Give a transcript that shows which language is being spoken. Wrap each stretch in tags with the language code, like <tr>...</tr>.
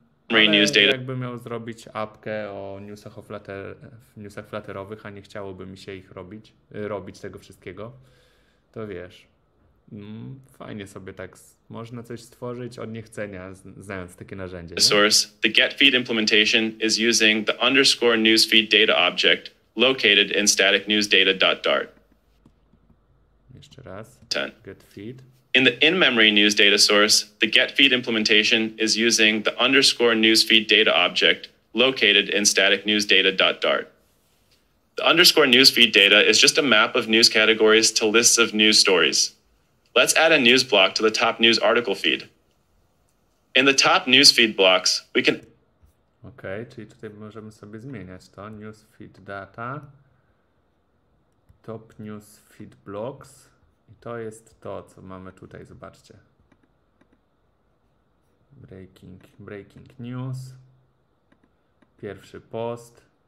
<en>News data.</en> <pl>Jakbym miał zrobić apkę o newsach, newsach flatterowych, a nie chciałoby mi się ich robić, tego wszystkiego, to wiesz, fajnie sobie tak, można coś stworzyć od niechcenia, znając takie narzędzie.</pl> <en>The source, the getfeed implementation is using the underscore newsfeed data object located in static news data dot dart.</en> <pl>Jeszcze raz. Getfeed.</pl> <en>In the in-memory news data source, the getfeed implementation is using the underscore newsfeed data object located in static news data dot dart. The underscore newsfeed data is just a map of news categories to lists of news stories. Let's add a news block to the top news article feed. In the top newsfeed blocks, we can...</en> <pl>Okay, czyli tutaj możemy sobie zmieniać to. Newsfeed data, top newsfeed blocks. I to jest to, co mamy tutaj, zobaczcie. Breaking news. Pierwszy post.</pl>